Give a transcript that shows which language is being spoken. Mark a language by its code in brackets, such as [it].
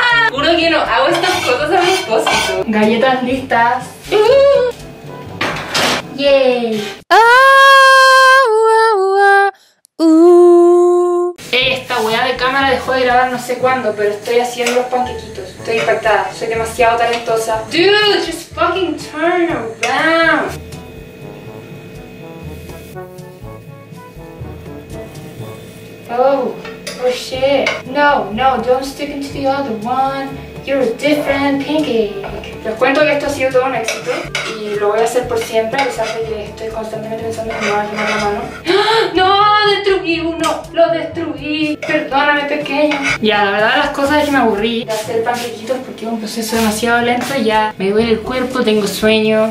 [es] Juro que no, hago estas cosas a propósito. Galletas listas. Yay. Esta weá de cámara dejó de grabar no sé cuándo, pero estoy haciendo los panquequitos. Estoy impactada, soy demasiado talentosa. [en] Dude, just fucking turn around. Oh shit. No, don't stick into the other one. You're a different pancake. [es] Les cuento que esto ha sido todo un éxito y lo voy a hacer por siempre, a pesar de que estoy constantemente pensando en que me voy a quemar la mano. ¡No! ¡Destruí uno! ¡Lo destruí! Perdóname, pequeño. Ya, la verdad, las cosas es que me aburrí de hacer panquequitos porque es un proceso demasiado lento y ya me duele el cuerpo, tengo sueño.